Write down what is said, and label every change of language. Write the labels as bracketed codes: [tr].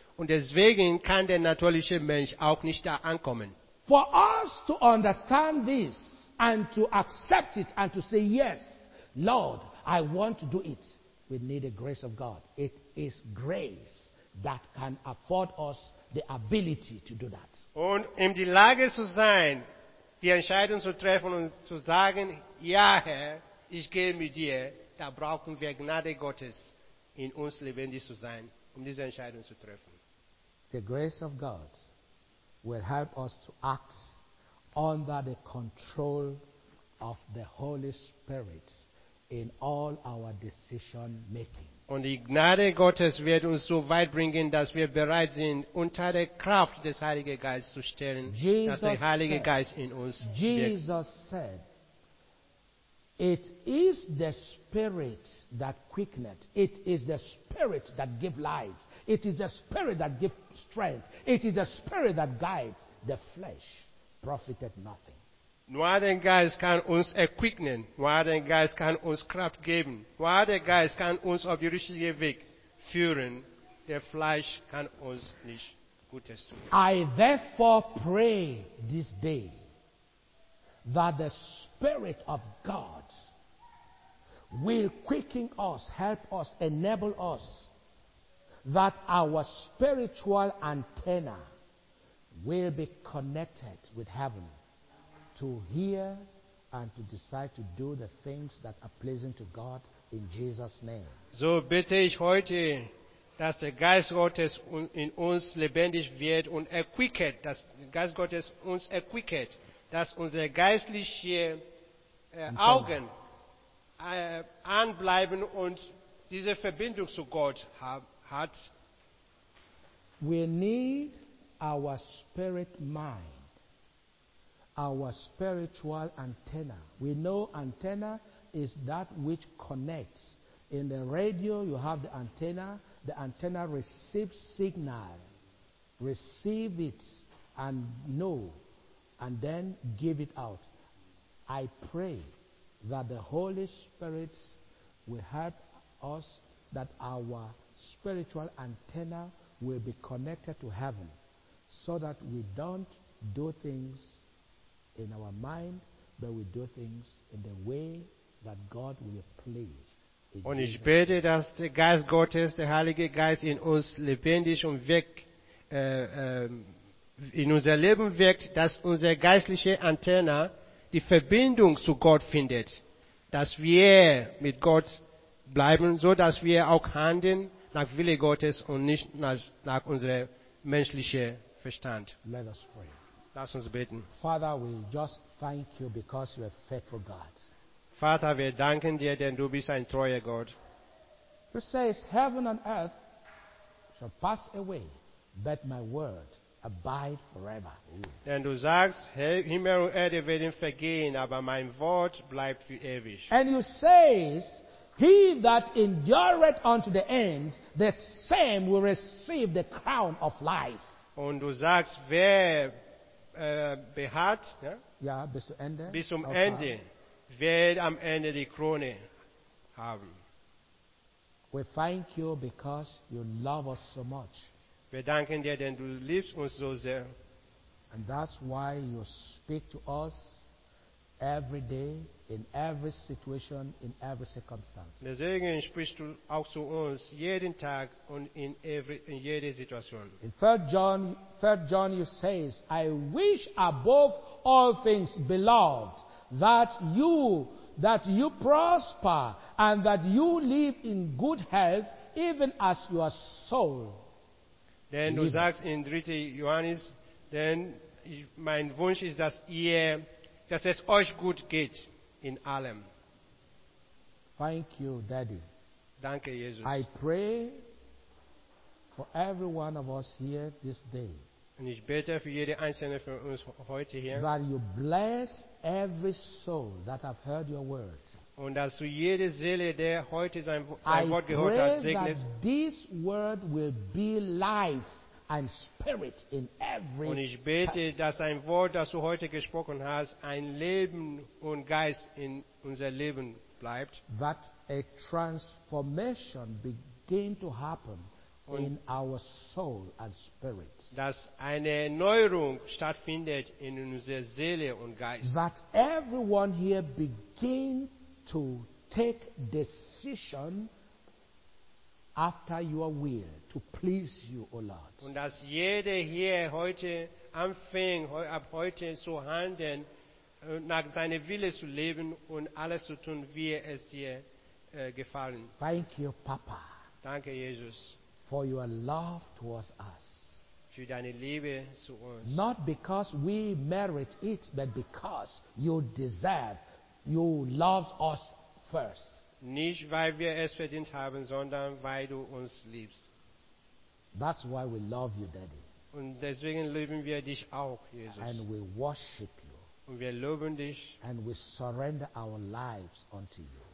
[de] Und deswegen kann der natürliche Mensch auch nicht da ankommen. [en] For us to understand this, and to accept it and to say, yes, Lord, I want to do it. We need the grace of God. It is grace that can afford us the ability to do that. [de] Und in die Lage zu sein, die Entscheidung zu treffen und zu sagen, ja, Herr, ich gehe mit dir, da brauchen wir Gnade Gottes in uns lebendig zu sein, um diese Entscheidung zu treffen. [en] The grace of God will help us to act under the control of the Holy Spirit in all our decision making. [de] Und die Gnade Gottes wird uns so weit bringen, dass wir bereit sind, unter der Kraft des Heiligen Geistes zu stellen, Jesus, dass der Heilige Geist in uns wirkt. [en] Jesus said, it is the Spirit that quickeneth. It is the Spirit that gives life. It is the Spirit that gives strength. It is the Spirit that guides the flesh. Profited nothing. [de] Nur der Geist kann uns erquicken. Nur der Geist kann uns Kraft geben. Nur der Geist kann uns auf den richtigen Weg führen. Der Fleisch kann uns nicht Gutes tun. [en] I therefore pray this day that the Spirit of God will quicken us, help us, enable us, that our spiritual antenna will be connected with heaven to hear and to decide to do the things that are pleasing to God In Jesus' name. [de] So bitte ich heute, dass der Geist Gottes in uns lebendig wird und erquicket, dass der Geist Gottes uns erquicket, dass unsere geistlichen Augen anbleiben und diese Verbindung zu Gott hat. [en] We need our spirit mind, our spiritual antenna. We know antenna is that which connects. In the radio, you have the antenna. The antenna receives signal, receive it and know, and then give it out. I pray that the Holy Spirit will help us, that our spiritual antenna will be connected to heaven, so that we don't do things in our mind, but we do things in the way that God will be pleased. [de] Und ich bete, dass der Geist Gottes, der Heilige Geist, in uns lebendig und wirkt, in unser Leben wirkt, dass unsere geistliche Antenne die Verbindung zu Gott findet, dass wir mit Gott bleiben, so dass wir auch handeln nach Wille Gottes und nicht nach unserem menschlichen Verstand. [en] Let us pray. [de] Lass uns beten. [en] Father, we just thank you because you are faithful God. [de] Vater, wir danken dir, denn du bist ein treuer Gott. [en] He says, heaven and earth shall pass away, but my word abide forever. [de] Denn du sagst, Himmel und Erde werden vergehen, aber mein Wort bleibt für ewig. [en] And you says, he that endureth unto the end, the same will receive the crown of life. [de] Und du sagst, wer beharrt, ja, bis zum Ende. Bis zum Ende. Wird am Ende die Krone haben. [en] We thank you because you love us so much. [de] Wir danken dir, denn du liebst uns so sehr. [en] And that's why you speak to us every day, in every situation, in every circumstance. [de] Deswegen sprichst du auch zu uns jeden Tag und in jeder Situation. [en] In 3 John, you says, I wish above all things, beloved, that you prosper and that you live in good health, even as your soul. [de] Denn du sagst in 3. Johannes, mein Wunsch ist, dass es euch gut geht in allem. [en] Thank you, Daddy. [de] Danke, Jesus. [en] I pray for every one of us here this day. [de] Und ich bete für jede einzelne von uns heute hier. [en] That you bless every soul that have heard your word. [de] Und dass du jede Seele, der heute sein Wort gehört hat, segnest. [en] I pray that this word will be life and spirit in every. [de] Und ich bete, dass ein Wort, das du heute gesprochen hast, ein Leben und Geist in unser Leben bleibt. [en] That a transformation begin to happen in our soul and spirit. [de] Dass eine Erneuerung stattfindet in unserer Seele und Geist. [en] That everyone here begin to take decision after your will to please you, O Lord. [de] Und dass jeder hier heute anfängt, ab heute zu handeln, nach seinem Wille zu leben und alles zu tun, wie es dir gefallen. [en] Thank you, Papa. [de] Danke, Jesus. [en] For your love towards us. [de] Für deine Liebe zu uns. [en] Not because we merit it, but because you deserve. You love us first. [de] Nicht weil wir es verdient haben, sondern weil du uns liebst. [en] That's why we love you, Daddy. [de] Und deswegen lieben wir dich auch, Jesus. [en] And we worship you. [de] Und wir loben dich. [en] And we surrender our lives unto you.